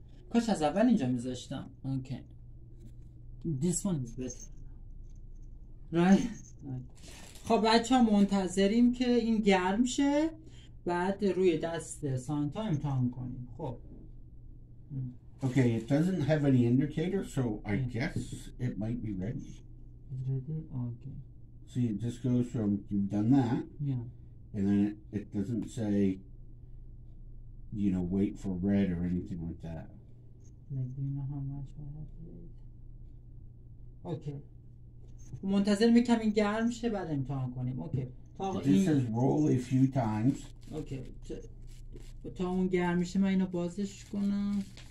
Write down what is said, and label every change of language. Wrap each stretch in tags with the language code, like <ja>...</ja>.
<fa>کاش از اول اینجا میذاشتم.</fa> <en>Okay. This one is better. Right?</en> <fa>خب بچه ها منتظریم که این گرم شه، بعد روی دست سانتا امتحان کنیم. خب</fa> <en>Okay, it doesn't have any indicator, so I guess it might be ready. It's ready? Okay. See, it just goes from, you've done that. Yeah. And then it doesn't say, you know, wait for red or anything like that. Like, do you know how much I have to wait? Okay.</en> <fa>منتظر میکنم این گرم شه بعد امتحان کنیم. اوکی.</fa> <en>This is roll a few times. Okay.</en> <fa>تا اون گرم شه من اینو بازش کنم.</fa>